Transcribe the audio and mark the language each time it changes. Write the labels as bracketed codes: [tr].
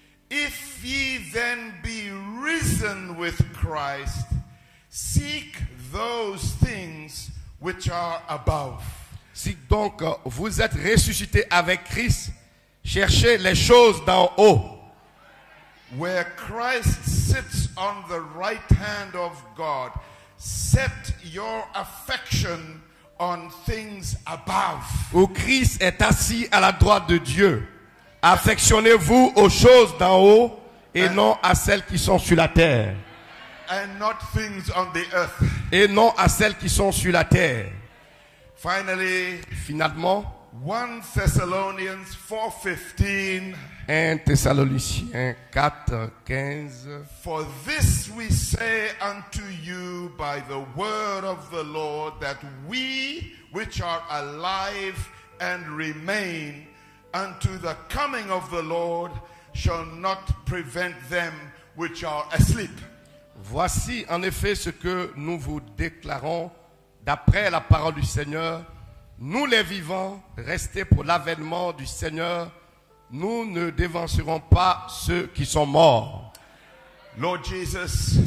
[en] If ye then be risen with Christ, seek those things which are above. [fr] Si donc vous êtes ressuscité avec Christ, cherchez les choses d'en haut. [en] Where Christ sits on the right hand of God, set your affection on things above. [fr] Où Christ est assis à la droite de Dieu. Affectionnez-vous aux choses d'en haut et non à celles qui sont sur la terre. [en] And not things on the earth. [fr] Et non à celles qui sont sur la terre. [en] Finally, [fr] finalement, [en] 1 Thessalonians 4:15. [fr] 1 Thessaloniciens 4:15. [en] For this we say unto you by the word of the Lord, that we which are alive and remain unto the coming of the Lord shall not prevent them which are asleep. [fr] Voici en effet ce que nous vous déclarons d'après la parole du Seigneur. Nous les vivants, restez pour l'avènement du Seigneur. nous ne dévancerons pas ceux qui sont morts. [en] Lord Jesus,